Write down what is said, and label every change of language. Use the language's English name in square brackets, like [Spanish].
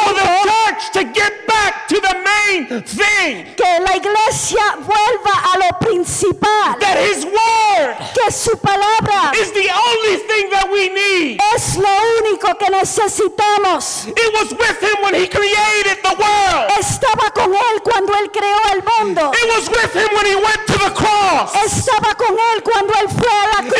[English] For the church to get back to the main thing. [Spanish] Que la iglesia vuelva a lo principal. [English] That his word. [Spanish] Que su palabra. [English] Is the only thing that we need. [Spanish] Es lo único que necesitamos. [English] It was with him when he created the world. [Spanish] Estaba con él cuando él creó el mundo. [English] It was with him when he went to the cross. [Spanish] Estaba con él cuando él fue a la cruz.